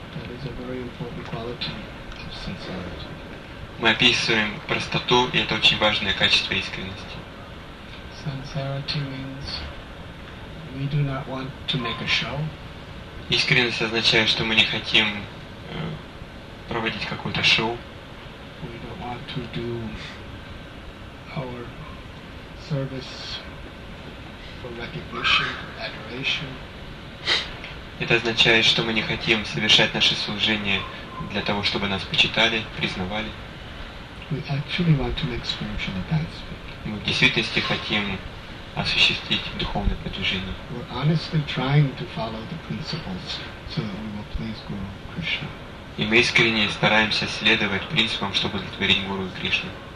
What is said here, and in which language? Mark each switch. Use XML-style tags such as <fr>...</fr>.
<en>That is a very important quality of sincerity.</en> <ru>Мы описываем простоту, и это очень важное качество искренности.</ru> <en>Sincerity means we do not want to make a show.</en> <ru>Искренность означает, что мы не хотим проводить какое-то шоу.</ru> <en>We don't want to do our service for recognition, adoration.</en> <ru>Это означает, что мы не хотим совершать наше служение для того, чтобы нас почитали, признавали.</ru> <en>We actually want to make spiritual advancement.</en> <ru>Мы в действительности хотим осуществить духовное продвижение.</ru> <en>We're honestly trying to follow the principles so that we will please Guru Krishna.</en> <ru>И мы искренне стараемся следовать принципам, чтобы удовлетворить Гуру и Кришну.</ru>